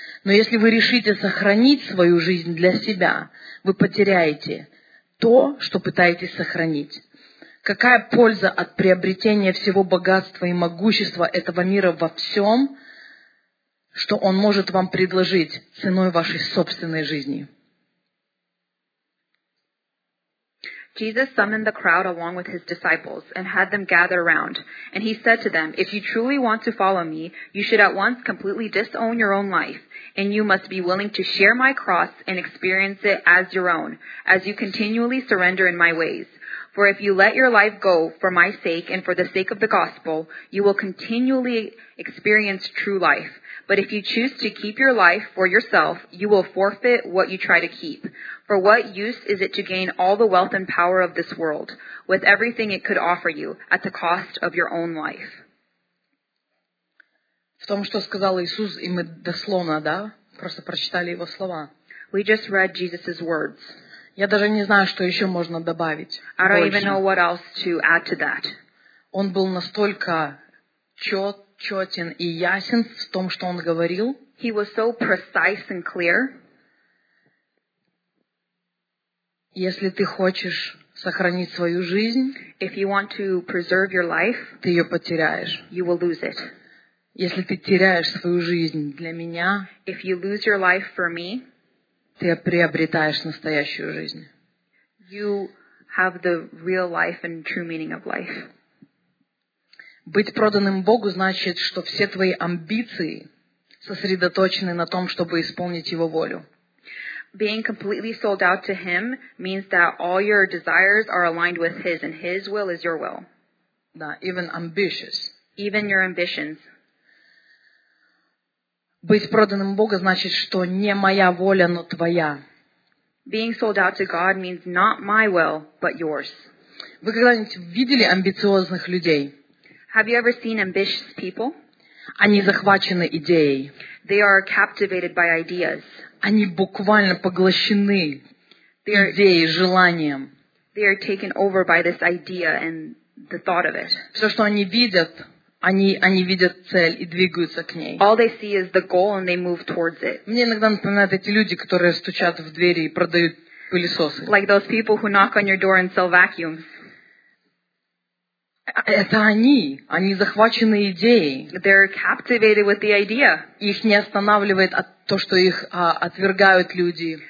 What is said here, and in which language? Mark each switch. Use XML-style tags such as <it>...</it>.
<ru>Но если вы решите сохранить свою жизнь для себя, вы потеряете то, что пытаетесь сохранить. Какая польза от приобретения всего богатства и могущества этого мира во всем, что он может вам предложить ценой вашей собственной жизни?</ru> <en>Jesus summoned the crowd along with his disciples and had them gather around. And he said to them, if you truly want to follow me, you should at once completely disown your own life. And you must be willing to share my cross and experience it as your own, as you continually surrender in my ways. For if you let your life go for my sake and for the sake of the gospel, you will continually experience true life. But if you choose to keep your life for yourself, you will forfeit what you try to keep. For what use is it to gain all the wealth and power of this world, with everything it could offer you, at the cost of your own life?</en> <ru>В том, что сказал Иисус, и мы дословно, да, просто прочитали его слова.</ru> <en>We just read Jesus's words.</en> <ru>Я даже не знаю, что еще можно добавить.</ru> <en>I don't even know what else to add to that.</en> <ru>Он был настолько четен и ясен в том, что он говорил.</ru> <en>He was so precise and clear.</en> <ru>Если ты хочешь сохранить свою жизнь,</ru> <en>if you want to preserve your life,</en> <ru>ты ее потеряешь.</ru> <en>You will lose it.</en> <ru>Если ты теряешь свою жизнь для меня,</ru> <en>if you lose your life for me,</en> <ru>ты приобретаешь настоящую жизнь.</ru> <en>You have the real life and true meaning of life.</en> <ru>Быть проданным Богу значит, что все твои амбиции сосредоточены на том, чтобы исполнить Его волю.</ru> <en>Being completely sold out to Him means that all your desires are aligned with His, and His will is your will. Да, even ambitious. Even your ambitions.</en> <ru>Быть проданным Богу значит, что не моя воля, но твоя.</ru> <en>Being sold out to God means not my will, but yours.</en> <ru>Вы когда-нибудь видели амбициозных людей?</ru> <en>Have you ever seen ambitious people?</en> <ru>Они захвачены идеей.</ru> <en>They are captivated by ideas.</en> <ru>Они буквально поглощены идеей, желанием.</ru> <en>They are taken over by this idea and the thought of it.</en> <ru>Все, что они видят, они видят цель и двигаются к ней.</ru> <en>All they see is the goal and they move towards it.</en> <ru>Мне иногда напоминают эти люди, которые стучат в двери и продают пылесосы.</ru> <en>Like those people who knock on your door and sell vacuums.</en> <ru>Это они. Они захвачены идеей.</ru> <en>They're captivated with the idea.</en> <ru>Их не останавливает то, что их отвергают люди.</ru>